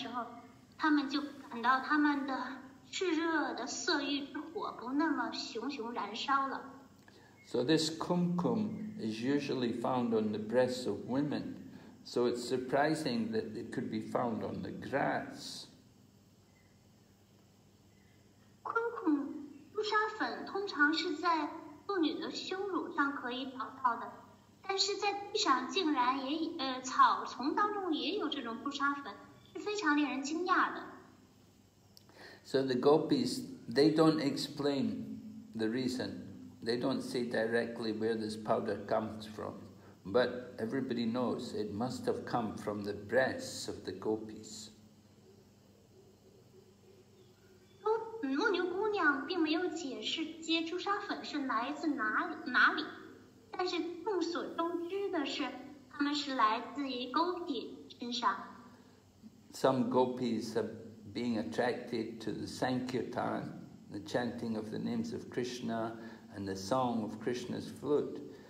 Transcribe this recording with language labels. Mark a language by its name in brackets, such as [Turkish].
[Chinese] 就是当他们把这些红粉，朱砂粉抹到自己的脸颊和自己的胸乳上的时候，他们就感到他们的 炽热的色欲之火不那么熊熊燃烧了。 [English] So this kumkum is usually found on the breasts of women. So it's surprising that it could be found on the grass. [Chinese] Kumkum, 朱砂粉通常是在妇女的胸乳上可以找到的，但是在地上竟然也草丛当中也有这种朱砂粉，是非常令人惊讶的。 [English] So the gopis, they don't explain the reason they don't say directly where this powder comes from, but everybody knows it must have come from the breasts of the gopis. [Chinese] 牧牛姑娘并没有解释接朱砂粉是来自哪里，但是众所周知的是，它们是来自于 gopi 身上。 [English] Some gopis are being attracted to the sankirtan, the chanting of the names of Krishna and the song of Krishna's flute.